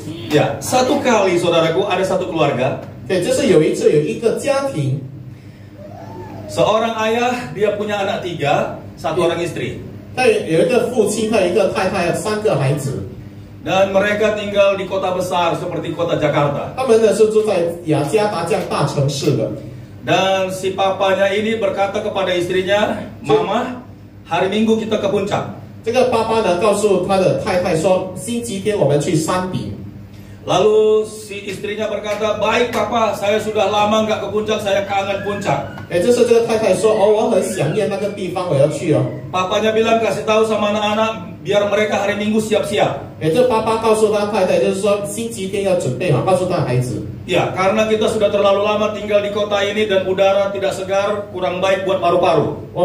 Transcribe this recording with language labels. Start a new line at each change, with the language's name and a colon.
Indonesian: Ya, satu kali saudaraku ada satu keluarga.
Chinese: 对，就是有一次有一个家庭，
Indonesian: seorang ayah dia punya anak tiga, satu orang istri.
Chinese: 他有一个父亲和一个太太，三个孩子。
Indonesian: Dan mereka tinggal di kota besar seperti kota Jakarta.
Chinese: 他们呢是住在雅加达这样大城市的。
Indonesian: Dan si papanya ini berkata kepada istrinya, Mama, hari Minggu kita ke puncak.
Chinese: 这个爸爸呢告诉他的太太说，星期天我们去山顶。
Indonesian: Lalu si istrinya berkata, Baik papa, saya sudah lama enggak ke puncak, saya kangen puncak.
Chinese: 这是这个太太说，哦，我很想念那个地方，我要去哦。
Indonesian: Papanya bilang kasih tahu sama anak-anak, biar mereka hari Minggu siap-siap.
Chinese: 这爸爸告诉他太太，就是说星期天要准备好，告诉他孩子。
Indonesian: Ya, karena kita sudah terlalu lama tinggal di kota ini dan udara tidak segar, kurang baik buat paru-paru.